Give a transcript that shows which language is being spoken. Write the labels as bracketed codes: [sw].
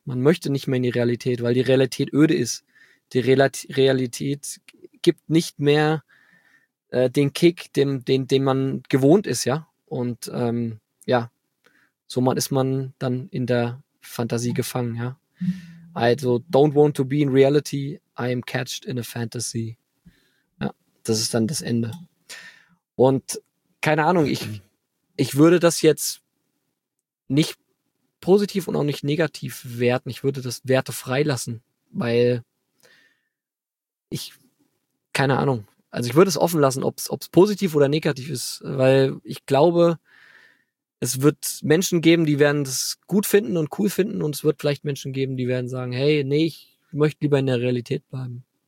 [de] Man möchte nicht mehr in die Realität, weil die Realität öde ist. Die Realität gibt nicht mehr den Kick, den man gewohnt ist, ja. Und ja, so ist man dann in der Fantasie gefangen, ja. [en] Also, don't want to be in reality, I am catched in a fantasy. [de] Ja, das ist dann das Ende. Und keine Ahnung, ich würde das jetzt nicht positiv und auch nicht negativ werten. Ich würde das Werte freilassen, weil ich, keine Ahnung, also ich würde es offen lassen, ob es positiv oder negativ ist, weil ich glaube, es wird Menschen geben, die werden das gut finden und cool finden, und es wird vielleicht Menschen geben, die werden sagen, hey, nee, ich möchte lieber in der Realität bleiben.